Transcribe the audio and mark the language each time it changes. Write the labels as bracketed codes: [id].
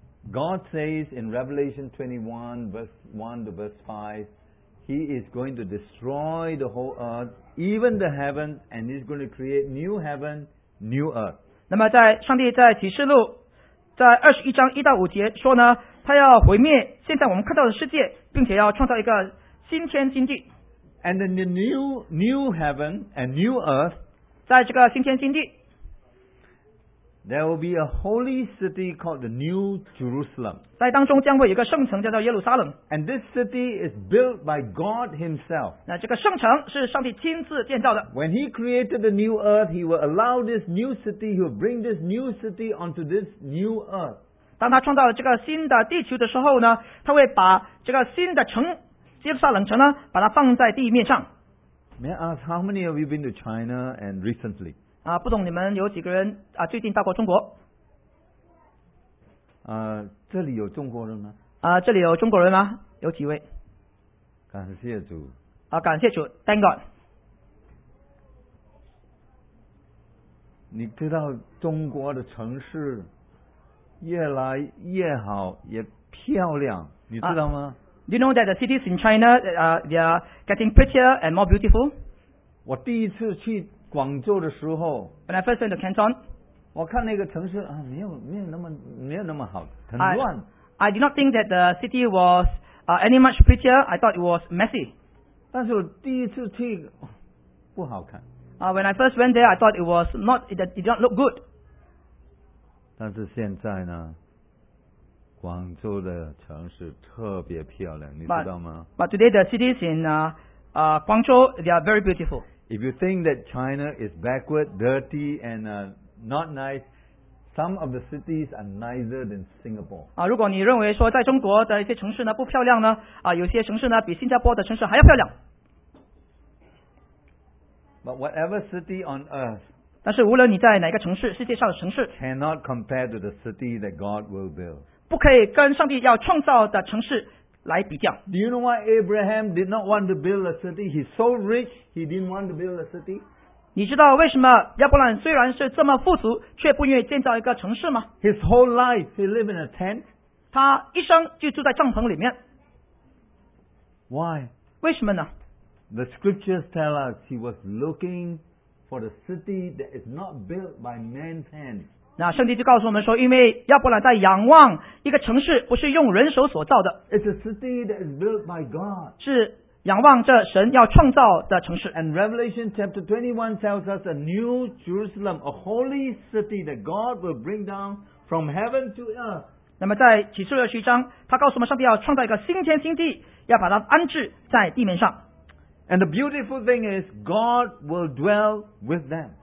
[en] God says in Revelation 21 verse 1 to verse 5, He is going to destroy the whole earth, even the heavens, and He's going to create new heaven, new earth. [zh] 那么在上帝在启示录在21章1到5节说呢，他要毁灭现在我们看到的世界，并且要创造一个新天新地。 [en] And in the new heaven and new earth, [zh] 在这个新天新地 [en] there will be a holy city called the New Jerusalem. [zh] 在当中将会有一个圣城叫做耶路撒冷 [en] And this city is built by God Himself. [zh] 那这个圣城是上帝亲自建造的 [en] When He created the new earth, He will allow this new city, He will bring this new city onto this new earth. [zh] 当他创造了这个新的地球的时候呢，他会把这个新的城耶路撒冷城呢，把它放在地面上。 [en] May I ask how many of you been to China and recently? [zh] 不懂你们有几个人最近到过中国？这里有中国人吗？这里有中国人吗？有几位？感谢主。感谢主 ， [en] Thank God。 [zh] 你知道中国的城市越来越好，也漂亮，你知道吗？ [en] Do you know that the cities in China they are getting prettier and more beautiful? [zh] 我第一次去广州的时候 [en] When I first went to Canton [zh] 我看那个城市没有那么好很乱 [en] I did not think that the city was any much prettier I thought it was messy [zh] 但是我第一次去不好看 [en] When I first went there I thought it did not look good [zh] 但是现在呢广州的城市特别漂亮，你知道吗 [en] ？But today the cities in Guangzhou they are very beautiful. If you think that China is backward, dirty, and not nice, some of the cities are nicer than Singapore. [zh] 如果你认为说在中国的一些城市呢不漂亮呢，有些城市呢比新加坡的城市还要漂亮。 [en] But whatever city on earth, [zh] 但是无论你在哪个城市，世界上的城市 [en] cannot compare to the city that God will build. [zh] 不可以跟上帝要创造的城市来比较。 [en] Do you know why Abraham did not want to build a city? He's so rich, he didn't want to build a city. [zh] 你知道为什么亚伯兰虽然是这么富足，却不愿意建造一个城市吗 [en] ？His whole life he lived in a tent. [zh] 他一生就住在帐篷里面。 [en] Why? [zh] 为什么呢 [en] ？The scriptures tell us he was looking for the city that is not built by man's hand. [zh] 那圣经就告诉我们说，因为亚伯兰在仰望一个城市，不是用人手所造的。 [en] It's a city that is built by God. [zh] 是仰望着神要创造的城市。 [en] And Revelation chapter 21 tells us a new Jerusalem, a holy city that God will bring down from heaven to earth. [zh] 那么在启示录21章，他告诉我们，上帝要创造一个新天新地，要把它安置在地面上。 [en] And the beautiful thing is, God will dwell with them.